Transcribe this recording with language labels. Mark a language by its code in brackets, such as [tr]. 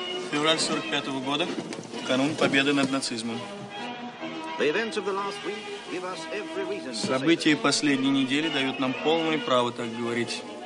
[ru] Февраль 45 года, канун победы над нацизмом. [en] The events of the last week give us every reason. [ru] События последней недели дают нам полное право так говорить.